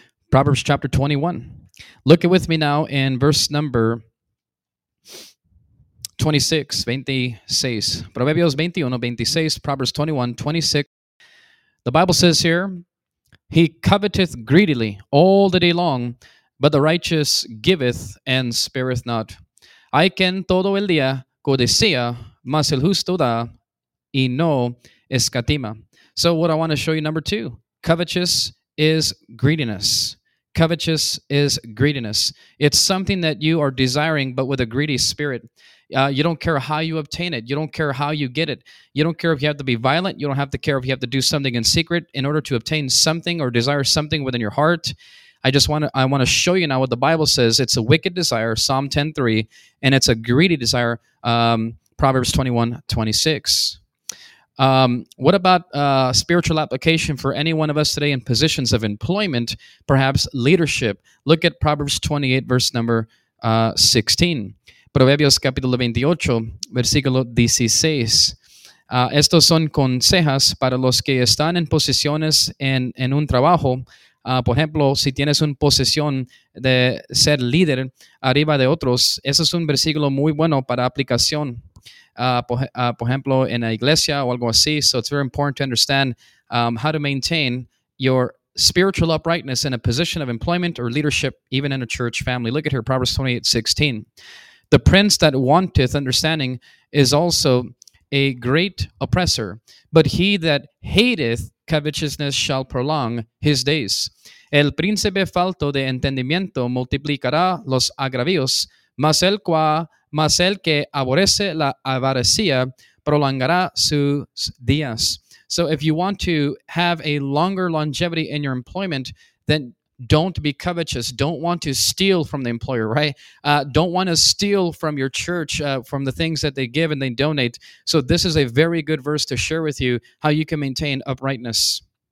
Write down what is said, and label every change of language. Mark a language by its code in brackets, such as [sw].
[en] Proverbs chapter 21. Look it with me now in verse number 26. [es] Proverbios 21, 26. [en] Proverbs 21, 26. The Bible says here, he coveteth greedily all the day long, but the righteous giveth and spareth not. [es] Hay quien todo el día codicia, mas el justo da y no escatima. [en] So what I want to show you, number two, covetous is greediness. Covetous is greediness. It's something that you are desiring, but with a greedy spirit. You don't care how you obtain it. You don't care how you get it. You don't care if you have to be violent. You don't have to care if you have to do something in secret in order to obtain something or desire something within your heart. I want to show you now what the Bible says. It's a wicked desire, Psalm 10:3, and it's a greedy desire, Proverbs 21:26. What about spiritual application for any one of us today in positions of employment, perhaps leadership? Look at Proverbs 28, verse number 16. [es] Proverbios capítulo 28, versículo 16. Estos son consejos para los que están en posiciones en un trabajo. Por ejemplo, si tienes una posición de ser líder arriba de otros, ese es un versículo muy bueno para aplicación. Por ejemplo, en la iglesia o algo así. [en] So it's very important to understand how to maintain your spiritual uprightness in a position of employment or leadership, even in a church family. Look at here, Proverbs 28:16. The prince that wanteth understanding is also a great oppressor, but he that hateth covetousness shall prolong his days. [es] El príncipe falto de entendimiento multiplicará los agravios, mas el que aborrece la avaricia prolongará sus días. [en] So if you want to have a longer longevity in your employment, then don't be covetous. Don't want to steal from the employer, right? Don't want to steal from your church, from the things that they give and they donate. So this is a very good verse to share with you how you can maintain uprightness.